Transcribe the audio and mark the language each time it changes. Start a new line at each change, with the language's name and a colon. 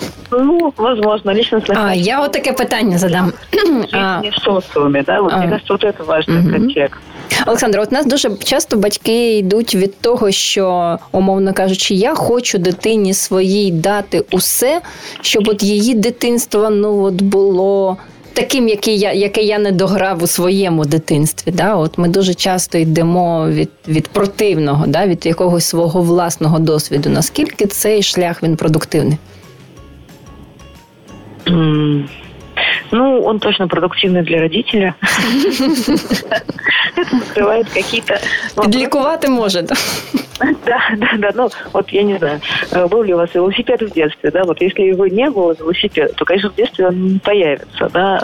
Russian: Ну, возможно, личностных качеств. Я вот такое питание задам. В социуме, да, вот мне кажется, вот это важный контекст.
Ukrainian: Олександро, от нас дуже часто батьки йдуть від того, що, умовно кажучи, я хочу дитині своїй дати усе, щоб от її дитинство, ну, от було таким, яке я не дограв у своєму дитинстві. Да? От ми дуже часто йдемо від противного, да? Від якогось свого власного досвіду. Наскільки цей шлях, він продуктивний?
Russian: Ну, он точно продуктивный для родителя. Это закрывает какие-то... Подлекувати может. Да, да, да. Ну, вот я не знаю, был ли у вас велосипед в детстве, да? Вот если его не было, велосипед, то, конечно, в детстве он не появится, да?